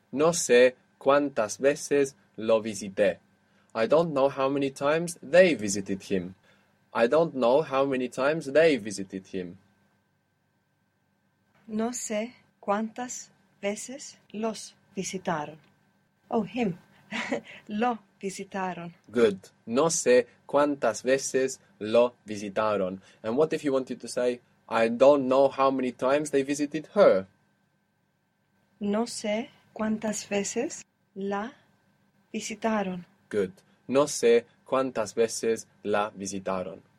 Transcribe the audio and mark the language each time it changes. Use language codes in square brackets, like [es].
[es] No sé cuántas veces lo visité. [en] I don't know how many times they visited him. I don't know how many times they visited him. [es] No sé cuántas veces los visitaron. [en] Oh, him. [es] Lo visitaron. [en] Good. [es] No sé cuántas veces lo visitaron. [en] And what if you wanted to say, I don't know how many times they visited her. [es] No sé cuántas veces la visitaron. Good. No sé cuántas veces la visitaron.